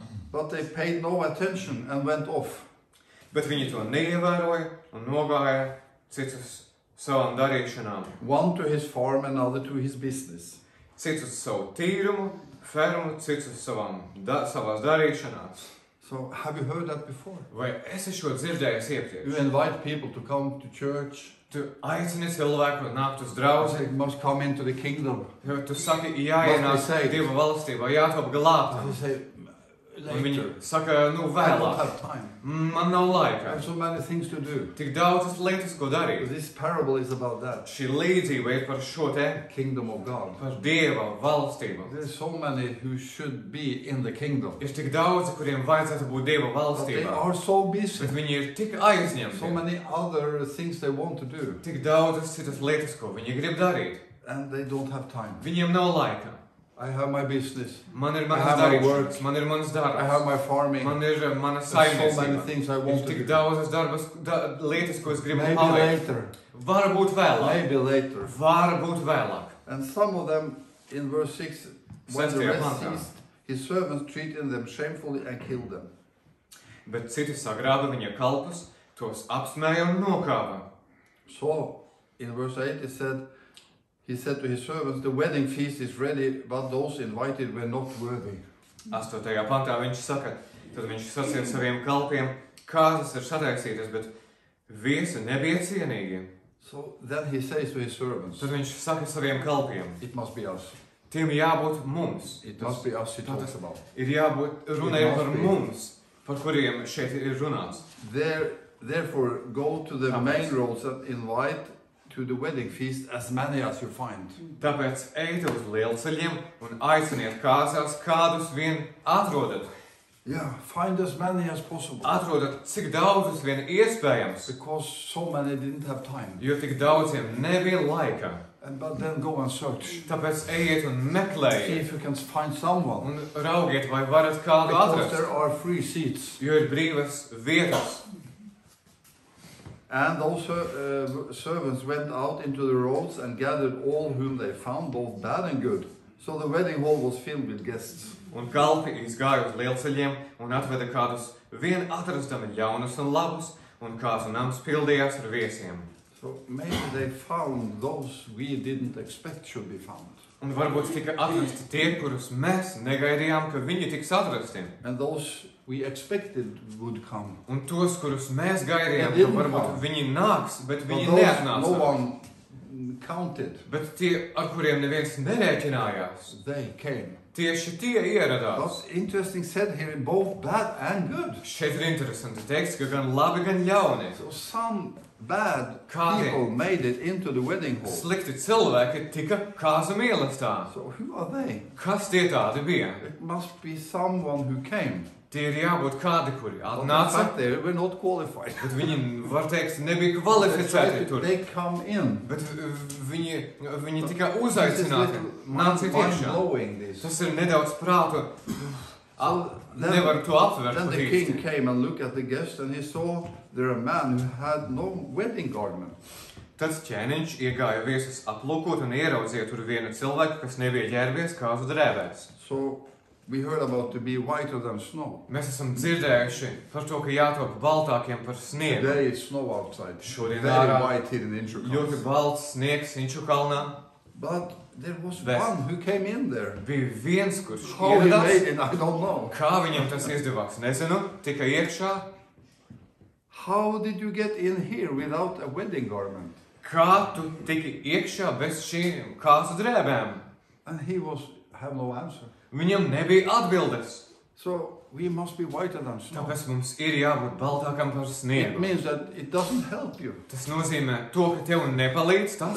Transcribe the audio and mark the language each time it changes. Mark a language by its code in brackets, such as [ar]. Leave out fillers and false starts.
[en] but they paid no attention and went off. [lv] Bet viņi to neievēroja un nogāja citus savam darīšanām. [en] One to his farm, another to his business. [lv] Cits uz savu tīrumu, fermu, cits uz savās darīšanās. [en] So, have you heard that before? [lv] Vai esi šo dzirdējis iepriekš? [en] You invite people to come to church. [lv] Tu aicini cilvēku nākt uz draudzi. [en] You must come into the kingdom. [lv] Tu saki, jāienāk Dieva valstībā, jātop glābt. Un viņi saka, nu vēlāk. Man nav laika. [en] I have so many things to do. [lv] Tik daudzas lietas, ko darīt. [en] This parable is about that. [lv] Šī līdzība ir par šo te. [en] Kingdom of God. [lv] Par Dieva valstību. [en] There are so many who should be in the kingdom. [lv] Ir tik daudz, kuriem vajadzētu būt Dieva valstībā. [en] But they are so busy. [lv] Bet viņi ir tik aizņemti. [en] So many other things they want to do. [lv] Tik daudzas citas lietas, ko viņi grib darīt. [en] And they don't have time. [lv] Viņiem nav laika. [en] I have my business. [lv] Man ir manas [en] I have [lv] darīšanas. [en] My work. [lv] Man ir manas darbas. [en] I have my farming. [lv] Man ir manas saimniecības. [en] So many things I want [lv] ir tik daudzas darbas, lietas, ko es gribu [en] maybe [lv] paveikt. [en] Later. [lv] Varbūt vēlāk. [en] Maybe later. [lv] Varbūt vēlāk. [en] And some of them in verse 6, when the rest ceased, his servants treated them shamefully and killed them. [lv] Bet citi sagrāba viņa kalpus, tos apsmēja un nokāva. [en] So, in verse 8 it said, he said to his servants, the wedding feast is ready, but those invited were not worthy. [lv] Astotajā pantā viņš saka, tad viņš sacīja saviem kalpiem, kāzas ir sataisītas, bet viesi nebija cienīgi. [en] So then he says to his servants, [lv] tad viņš saka saviem kalpiem, [en] it must be us. [lv] Tiem jābūt mums. [en] It must be us, he talks about. [lv] Ir jābūt runai par mums, par kuriem šeit ir runāts. [en] Therefore, go to the main roads and invite to the wedding feast as many as you find. [lv] Tāpēc ejiet uz lielceļiem un aiciniet kāzās, kādus vien atrodat. [en] Yeah, find as many as possible. [lv] Atrodat cik daudzus vien iespējams. [en] Because so many didn't have time. [lv] Jo tik daudziem nebija laika. [en] And but then go and search. [lv] Tāpēc ejiet un meklējiet. [en] See if you can find someone. [lv] Un raugiet, vai varat kādu atrast. [en] Because there are free seats. [lv] Jo ir brīvas vietas. [en] And also servants went out into the roads and gathered all whom they found, both bad and good. So the wedding hall was filled with guests. [lv] Un kalpi izgāja uz lielceļiem un atveda kādus vien atrastami jaunus un labus, un kāzu nams pildījās ar viesiem. [en] So maybe they found those we didn't expect should be found. [lv] Un varbūt tika atrasti tie, kurus mēs negaidījām, ka viņi tiks atrasti. [en] And those we expected would come. [lv] Un tos, kurus mēs gaidījām, ka varbūt viņi nāks, bet viņi neatnāca. [en] No one counted. [lv] Bet tie, ar kuriem neviens nerēķinājās, [en] they came. [lv] Tieši tie ieradās. [en] That's interesting said here, both bad and good. [lv] Šeit ir interesanti teikts, ka gan labi, gan ļauni. [en] So some bad people made it into the wedding hall. [lv] Slikti cilvēki tika kāzu mīlestā. [en] So who are they? [lv] Kas tie tādi bija? [en] It must be someone who came. [lv] Tie ir jābūt kādi, kuri atnāca. [en] But they were not qualified. [lv] Bet viņi, var teikt, nebija kvalificēti tur. [en] They come in. [lv] Bet viņi tikai uzaicināti. Nāca tiešā. Tas ir nedaudz prātu. Nevar to atvert. [en] Then the king came and looked at the guests and he saw there a man who had no wedding garment. [lv] Tad ķēniņš iegāja viesus aplūkot un ieraudzīja tur vienu cilvēku, kas nebija ģērbies kāzu drēbēs. [en] So we heard about to be whiter than snow. [lv] Mēs esam dzirdējuši par to, ka jātop baltākiem par sniegu. [en] Today is snow outside. [lv] Šodien ārā [en] white in Inčukalns. [lv] Ļoti balts sniegs Inčukalnā. [en] But there was one who came in there. [lv] Bija viens, kurš ieradās. [en] How he made it, I don't know. [lv] Kā viņam tas izdevās, nezinu, tika iekšā. [en] How did you get in here without a wedding garment? [lv] Kā tu tiki iekšā bez šīm kāzu drēbēm? [en] And he was have no answer. [lv] Viņam nebija atbildes. [en] So we must be whiter than snow. [lv] Tāpēc mums ir jābūt baltākam par sniegu. [en] It means that it doesn't help you. [lv] Tas nozīmē to, ka tev nepalīdz tas.